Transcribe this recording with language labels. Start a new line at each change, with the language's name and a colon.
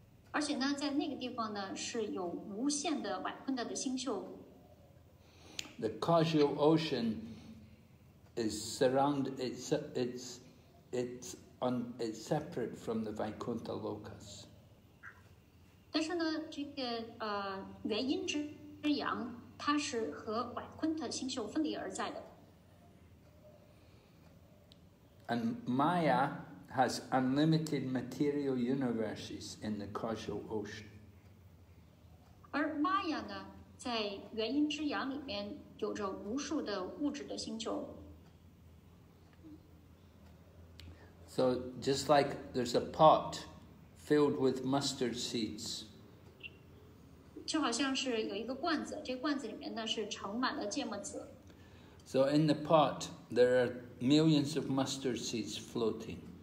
Chinese: 而且呢，在那个地方呢，是有无限的 Vaikuntha 的星宿。
English: The causal ocean is surround it's separate from the Vaikuntha locus.
Chinese: 但是呢，这个原因之阳。它是和瓦昆特星宿分离而在的。
English: And Maya has unlimited material universes in the causal ocean.
Chinese: 而 Maya 呢，在原因之阳里面有着无数的物质的星宿。
English: So just like there's a pot filled with mustard seeds.
Chinese: 就好像是有一个罐子，这罐子里面呢是盛满了芥末籽。
English: So in the pot, there are millions of mustard seeds floating.